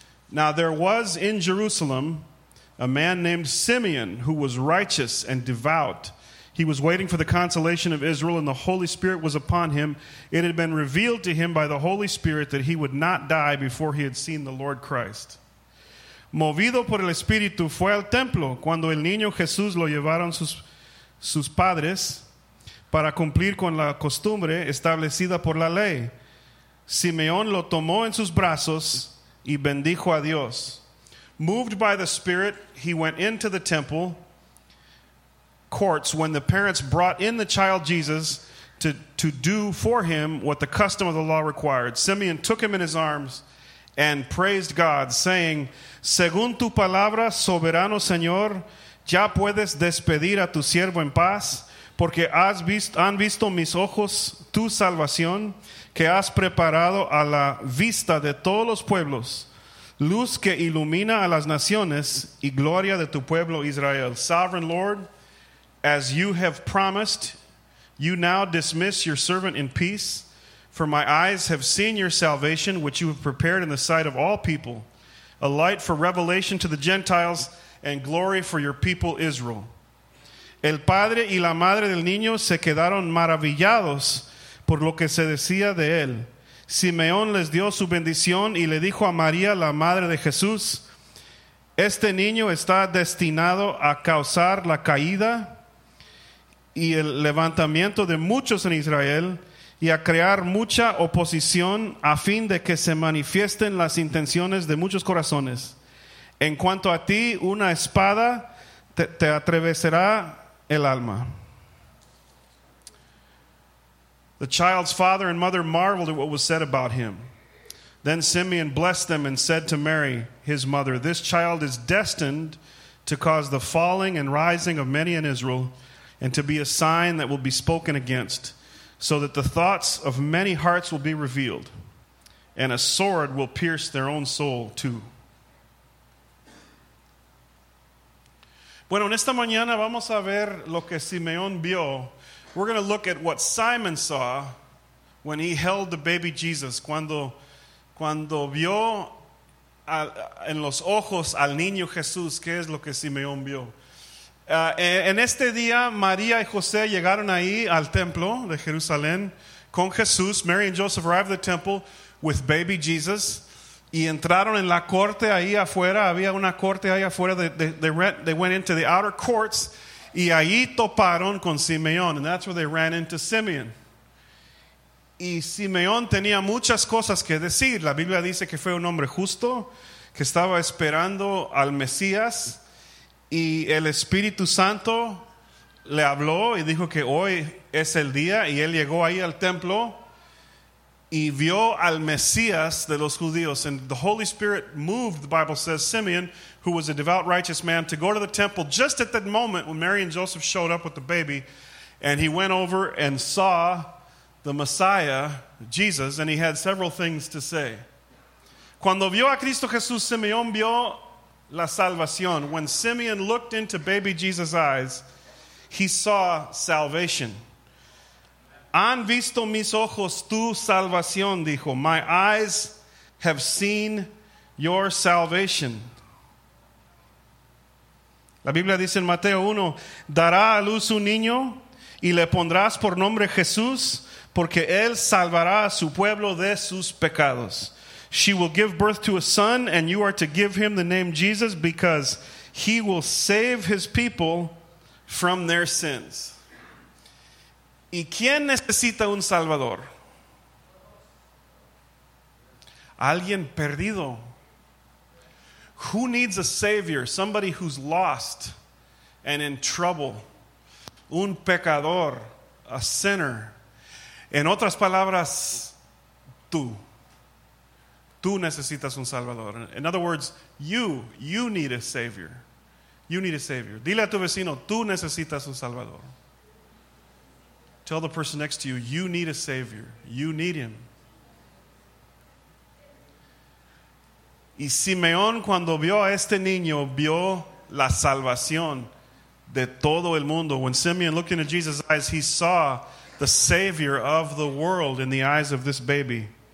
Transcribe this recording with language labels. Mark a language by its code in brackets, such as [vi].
[en] Now there was in Jerusalem a man named Simeon who was righteous and devout. He was waiting for the consolation of Israel, and the Holy Spirit was upon him. It had been revealed to him by the Holy Spirit that he would not die before he had seen the Lord Christ. [es] Movido por el Espíritu fue al templo cuando el niño Jesús lo llevaron sus padres para cumplir con la costumbre establecida por la ley. Simeón lo tomó en sus brazos y bendijo a Dios. [en] Moved by the Spirit, he went into the temple courts when the parents brought in the child Jesus to do for him what the custom of the law required. Simeon took him in his arms and praised God, saying, [es] "Según tu palabra, soberano Señor, ya puedes despedir a tu siervo en paz, porque han visto mis ojos tu salvación, que has preparado a la vista de todos los pueblos, luz que ilumina a las naciones y gloria de tu pueblo Israel." [en] Sovereign Lord, as you have promised, you now dismiss your servant in peace, for my eyes have seen your salvation, which you have prepared in the sight of all people, a light for revelation to the Gentiles, and glory for your people Israel. [es] El padre y la madre del niño se quedaron maravillados por lo que se decía de él. Simeón les dio su bendición y le dijo a María, la madre de Jesús, "Este niño está destinado a causar la caída y el levantamiento de muchos en Israel y a crear mucha oposición a fin de que se manifiesten las intenciones de muchos corazones. En cuanto a ti, una espada te atravesará el alma." [en] The child's father and mother marveled at what was said about him. Then Simeon blessed them and said to Mary, his mother, "This child is destined to cause the falling and rising of many in Israel, and to be a sign that will be spoken against, so that the thoughts of many hearts will be revealed, and a sword will pierce their own soul too." [es] Bueno, en esta mañana vamos a ver lo que Simeón vio. [en] We're going to look at what Simon saw when he held the baby Jesus, [es] cuando vio en los ojos al niño Jesús, ¿qué es lo que Simeón vio? En este día, María y José llegaron ahí al templo de Jerusalén con Jesús. [en] Mary and Joseph arrived at the temple with baby Jesus. [es] Y entraron en la corte ahí afuera. Había una corte ahí afuera. [en] They went into the outer courts. [es] Y ahí toparon con Simeón. [en] And that's where they ran into Simeon. [es] Y Simeón tenía muchas cosas que decir. La Biblia dice que fue un hombre justo, que estaba esperando al Mesías. Y el Espíritu Santo le habló y dijo que hoy es el día. Y él llegó ahí al templo y vio al Mesías de los judíos. [en] And the Holy Spirit moved, the Bible says, Simeon, who was a devout, righteous man, to go to the temple just at that moment when Mary and Joseph showed up with the baby. And he went over and saw the Messiah, Jesus, and he had several things to say. [es] Cuando vio a Cristo Jesús, Simeón vio la salvación. [en] When Simeon looked into baby Jesus' eyes, he saw salvation. [es] Han visto mis ojos tu salvación, dijo. [en] My eyes have seen your salvation. [es] La Biblia dice en Mateo 1, dará a luz un niño y le pondrás por nombre Jesús, porque él salvará a su pueblo de sus pecados. [en] She will give birth to a son, and you are to give him the name Jesus, because he will save his people from their sins. [es] ¿Y quién necesita un salvador? Alguien perdido. [en] Who needs a savior? Somebody who's lost and in trouble. [es] Un pecador. [en] A sinner. [es] En otras palabras, tú. Tú necesitas un salvador. [en] In other words, you need a savior. You need a savior. [es] Dile a tu vecino, tú necesitas un salvador. [en] Tell the person next to you, you need a savior. You need him. [es] Y Simeón, cuando vio a este niño, vio la salvación de todo el mundo. [en] When Simeon looked into Jesus' eyes, he saw the savior of the world in the eyes of this baby.